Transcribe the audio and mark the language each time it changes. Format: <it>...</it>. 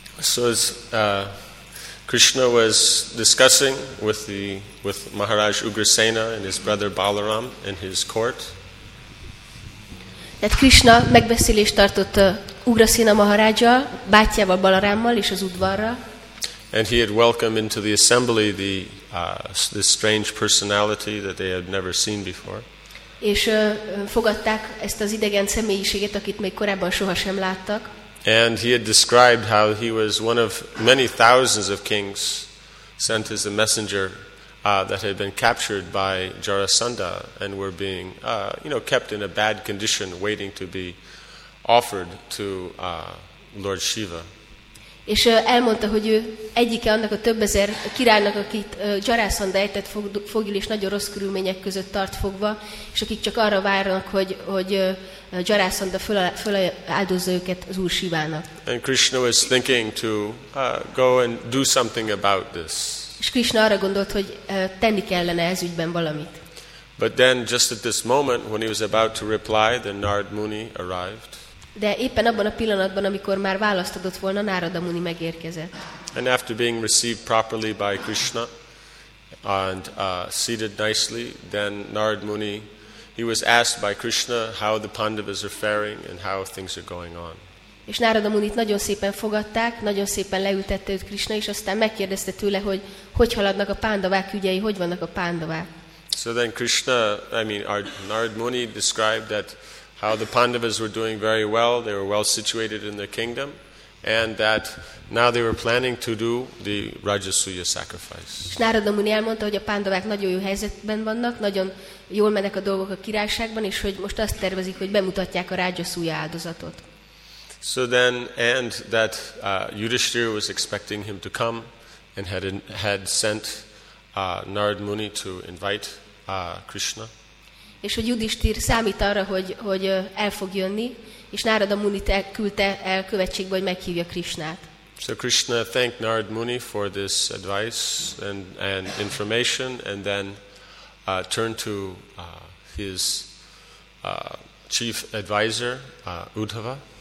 <en>So as Krishna was discussing with Maharaj Ugrasena and his brother Balaram in his court.</en> <hu>Tehát Krishna megbeszélést tartott Ugrasena Maharajjal, bátyjával Balarammal és az udvarra.</hu> <en>And he had welcomed into the assembly the this strange personality that they had never seen before.</en> <hu>És fogadták ezt az idegen személyiséget, akit még korábban soha sem láttak.</hu> <en>And he had described how he was one of many thousands of kings sent as a messenger that had been captured by Jarasandha and were being kept in a bad condition waiting to be offered to Lord Shiva.</en> <hu>És elmondta, hogy ő egyike annak a több ezer királynak, akit Jarasandha ejtett fogul és nagyon rossz körülmények között tart fogva, és akik csak arra várnak, hogy Jarasandha föláldozza őket az Úr Sivának.</hu> <en>And Krishna was thinking to go and do something about this.</en> <hu>És Krishna arra gondolt, hogy tenni kellene ez ügyben valamit.</hu> <en>But then just at this moment when he was about to reply, then Narad Muni arrived.</en> <hu>De éppen abban a pillanatban, amikor már választ adott volna, Narada Muni megérkezett.</hu> <en>And after being received properly by Krishna and seated nicely, then Narada Muni, he was asked by Krishna how the Pandavas are faring and how things are going on.</en> <hu>És Narada Munit nagyon szépen fogadták, nagyon szépen leültette őt Krishna, és aztán megkérdezte tőle, hogy haladnak a Pandavák ügyei, hogy vannak a Pandavák.</hu> <en>So then Krishna, Narada Muni described that how the Pandavas were doing very well, they were well situated in their kingdom, and that now they were planning to do the Rajasuya sacrifice.</en> <hu>És Narada Muni elmondta, hogy a Pandavák nagyon jó helyzetben vannak, nagyon jól mennek a dolgok a királyságban, és hogy most azt tervezik, hogy bemutatják a Rajasuya áldozatot.</hu> <en>So then, and that Yudhishthira was expecting him to come, and had sent Narada Muni to invite Krishna.</en> <hu>És hogy Yudhishthir számít arra, hogy el fog jönni, és Narada Munit küldte el követségbe, hogy meghívja Krishnát.</hu> <en>So Krishna thanked Narada Muni for this advice and information, and then turned to his chief advisor, Uddhava.</en>